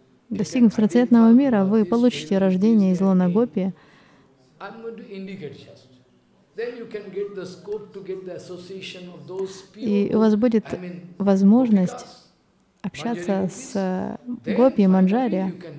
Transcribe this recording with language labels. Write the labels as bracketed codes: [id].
[ru] Достигнув трансцендентного мира, вы получите рождение из лона гопи. [en] I'm going to indicate just. Then you can get the scope to get the association of those people. [ru] И у вас будет возможность общаться с гопи манджари.